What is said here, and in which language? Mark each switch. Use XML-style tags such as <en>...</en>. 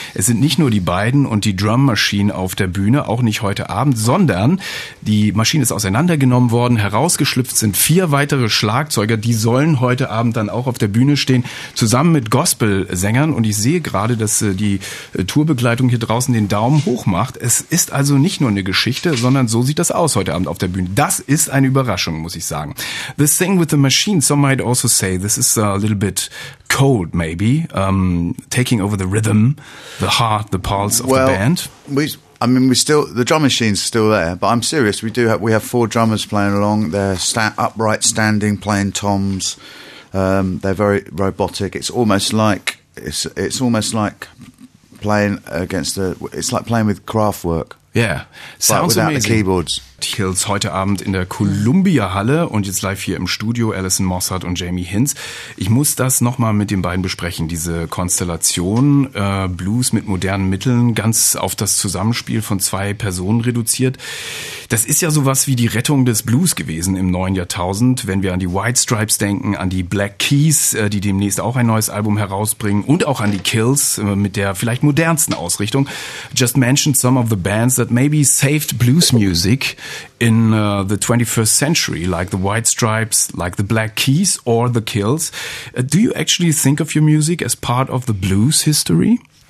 <de>Es sind nicht nur die beiden und die Drummaschine auf der Bühne, auch nicht heute Abend, sondern die Maschine ist auseinandergenommen worden, herausgeschlüpft sind vier weitere Schlagzeuger, die sollen heute Abend dann auch auf der Bühne stehen, zusammen mit Gospelsängern. Und ich sehe gerade, dass die Tourbegleitung hier draußen den Daumen hoch macht. Es ist also nicht nur eine Geschichte, sondern so sieht das aus heute Abend auf der Bühne. Das ist eine Überraschung, muss ich sagen.</de> <en>The thing with the machine, some might also say, this is a little bit cold, maybe, taking over the rhythm, the heart, the pulse of well, the band. I mean, the drum machine's still there, but I'm serious. We have four drummers playing along. They're upright, standing, playing toms. They're very robotic. It's like playing with Kraftwerk. Yeah, sounds amazing. But without the keyboards.</en> <de>Hills heute Abend in der Columbia-Halle und jetzt live hier im Studio Alison Mossart und Jamie Hinz. Ich muss das nochmal mit den beiden besprechen, diese Konstellation. Blues mit modernen Mitteln, ganz auf das Zusammenspiel von zwei Personen reduziert. Das ist ja sowas wie die Rettung des Blues gewesen im neuen Jahrtausend. Wenn wir an die White Stripes denken, an die Black Keys, die demnächst auch ein neues Album herausbringen und auch an die Kills mit der vielleicht modernsten Ausrichtung.</de> <en>Just mentioned some of the bands that maybe saved Blues Music in the 21st century, like the White Stripes, like the Black Keys or the Kills. Do you actually think of your music as part of the blues history?</en>